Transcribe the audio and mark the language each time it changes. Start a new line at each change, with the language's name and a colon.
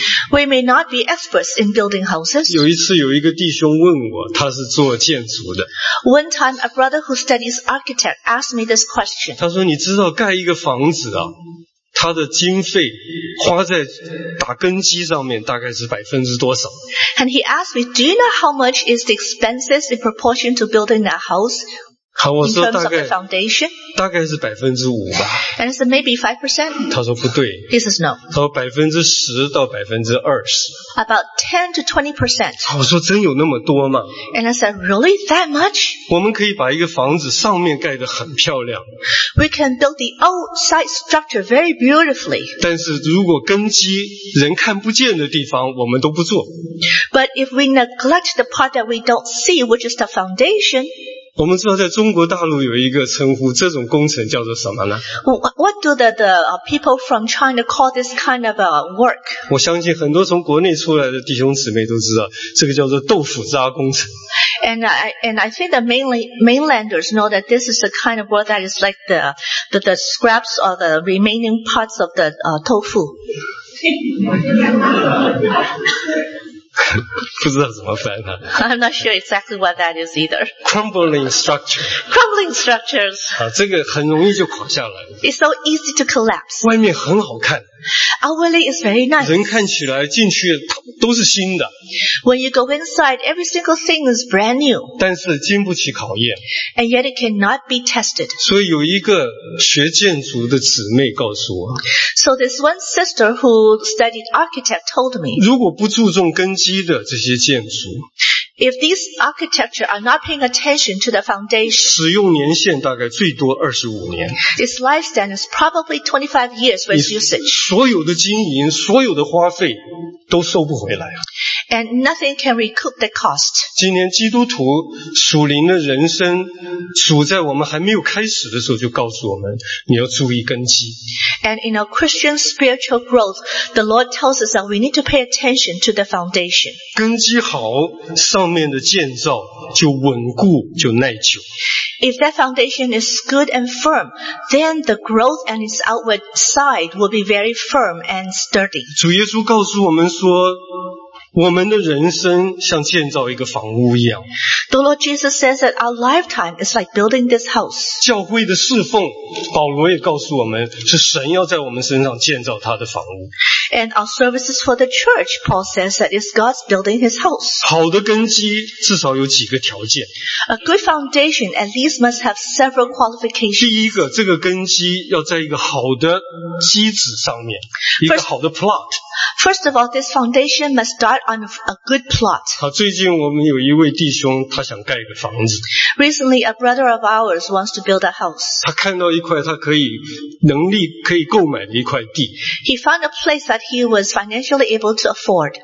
English: We may not be experts in building houses.
Chinese: 有一次有一个弟兄问我, 他是做建筑的。
English: One time, a brother who studies architect asked me this question.
Chinese: 他说你知道盖一个房子啊, 他的经费花在打根基上面大概是百分之多少。
English: And he asked me, do you know how much is the expenses in proportion to building that house?
Chinese: 好,我说大概,
English: in terms of the foundation?
Chinese: 大概是5%吧。
English: And it's maybe 5%?
Chinese: 他说不对。
English: He says no.
Chinese: 他说10%到20%。
English: About 10 to 20%.
Chinese: 我说真有那么多吗?
English: And I said, really that much?
Chinese: 我们可以把一个房子上面盖得很漂亮。
English: We can build the outside structure very beautifully.
Chinese: 但是如果根基人看不见的地方, 我们都不做。
English: But if we neglect the part that we don't see, which is the foundation,
Chinese: 我们知道在中国大陆有一个称呼, 这种工程叫做什么呢?
English: What do the people from China call this kind of work?
Chinese: 我相信很多从国内出来的弟兄姊妹都知道, 这个叫做豆腐渣工程。
English: And I think the mainlanders know that this is the kind of work that is like the scraps or the remaining parts of the tofu.
Chinese: 不知道怎么翻啊。
English: I'm not sure exactly what that is either. Crumbling structure. Crumbling structures.
Chinese: 这个很容易就垮下来。
English: It's so easy to collapse.
Chinese: 外面很好看。
English: Outwardly is very nice.
Chinese: 人看起来进去都是新的。
English: When you go inside, every single thing is brand new.
Chinese: 但是经不起考验。
English: And yet it cannot be tested.
Chinese: 所以有一个学建筑的姊妹告诉我。
English: So this one sister who studied architect told me.
Chinese: 如果不注重根基的这些建筑,
English: if these architecture are not paying attention to the foundation,
Chinese: 使用年限大概最多25年,
English: its lifespan is probably 25 years with usage.
Chinese: 所有的经营, 所有的花费, 都收不回来。
English: And nothing can recoup the cost.
Chinese: 今天基督徒, 属灵的人生, 主在我们还没有开始的时候就告诉我们, 你要注意根基。
English: And in our Christian spiritual growth, the Lord tells us that we need to pay attention to the foundation.
Chinese: 根基好, 上面的建造就稳固就耐久。
English: If that foundation is good and firm, then the growth and its outward side will be very firm and sturdy.
Chinese: 主耶稣告诉我们说, 我们的人生像建造一个房屋一样。
English: The Lord Jesus says that our lifetime is like building this house.
Chinese: 教会的侍奉，保罗也告诉我们，是神要在我们身上建造他的房屋。
English: And our services for the church, Paul says that it's God's building his house.
Chinese: 好的根基至少有几个条件。
English: A good foundation at least must have several qualifications.
Chinese: 第一个，这个根基要在一个好的基址上面，一个好的 plot。
English: First of all, this foundation must start on a good plot.
Chinese: 好，最近我们有一位弟兄，他想盖一个房子。
English: Recently, a brother of ours wants to build a house.
Chinese: 他看到一块他可以能力可以购买的一块地。
English: He found a place that he was financially able to afford.